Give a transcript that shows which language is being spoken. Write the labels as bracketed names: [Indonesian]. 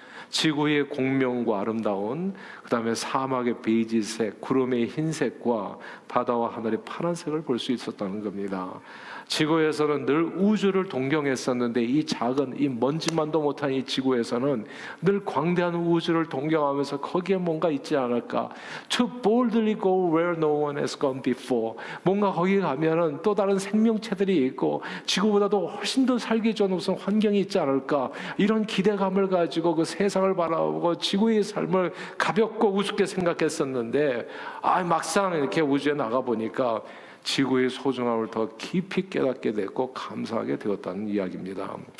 [Korean] 지구의 공명과 아름다운, 그 다음에 사막의 베이지색, 구름의 흰색과 바다와 하늘의 파란색을 볼 수 있었다는 겁니다. 지구에서는 늘 우주를 동경했었는데 이 작은, 이 먼지만도 못한 이 지구에서는 늘 광대한 우주를 동경하면서 거기에 뭔가 있지 않을까. [English] To boldly go where no one has gone before. [Korean] 뭔가 거기 가면은 또 다른 생명체들이 있고 지구보다도 훨씬 더 살기 좋은 환경이 있지 않을까. 이런 기대감을 가지고 그 세상을 바라보고 지구의 삶을 가볍고 우습게 생각했었는데 막상 이렇게 우주에 나가보니까 지구의 소중함을 더 깊이 깨닫게 됐고 감사하게 되었다는 이야기입니다.